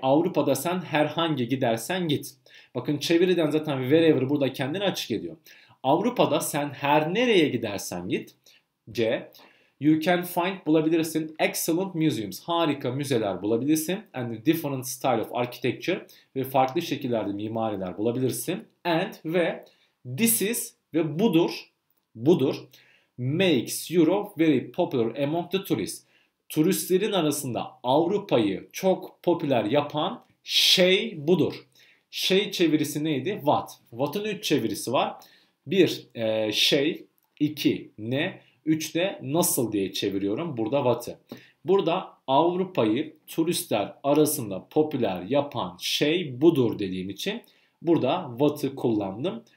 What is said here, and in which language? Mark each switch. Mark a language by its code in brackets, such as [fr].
[tr] Avrupa'da sen herhangi gidersen git. Bakın çeviriden zaten wherever burada kendini açık ediyor. Avrupa'da sen her nereye gidersen git. C. [en] You can find, [tr] bulabilirsin, [en] excellent museums, [tr] harika müzeler bulabilirsin. [en] And different style of architecture, [tr] ve farklı şekillerde mimariler bulabilirsin. [en] And, ve, this is, [tr] ve budur, budur, [en] makes Europe very popular among the tourists. [tr] Turistlerin arasında Avrupa'yı çok popüler yapan şey budur. Şey çevirisi neydi? What? What'ın 3 çevirisi var. 1. Şey. 2. Ne? 3'te nasıl diye çeviriyorum burada what'ı. Burada Avrupa'yı turistler arasında popüler yapan şey budur dediğim için burada what'ı kullandım.